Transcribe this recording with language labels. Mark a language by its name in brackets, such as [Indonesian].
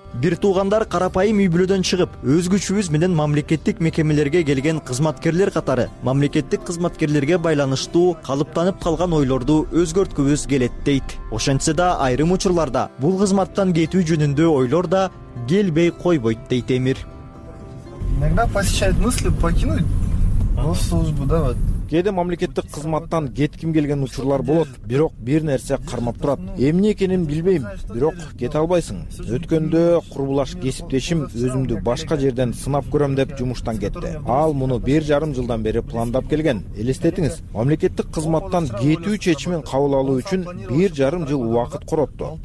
[Kyrgyz] Бир туугандар карапайым үй бүлөдөн чыгып, өз күчүбүз менен мамлекеттик мекемелерге келген кызматкерлер катары мамлекеттик кызматкерлерге байланыштуу калыптанып калган ойлорду өзгөрткүбүз келет дейт. Ошентсе да айрым учурларда бул кызматтан кетүү жөнүндө ойлор да келбей койбойт дейт Эмир. [Russian] Иногда посещает мысли покинуть госслужбу, да, вот. [Kyrgyz] Кээде мамлекеттик кызматтан кетким келген учурлар болот, бирок бир нерсе кармап турат. Эмне экенин билбейм, бирок кете албайсың. Өткөндө курбулаш кесиптешим өзүмдү башка жерден сынап көрөм деп жумуштан кетти. Ал муну 1.5 жылдан бери пландап келген. Элестетиңиз, мамлекеттик кызматтан кетүү чечимин кабыл алуу үчүн 1.5 жыл убакыт коротту.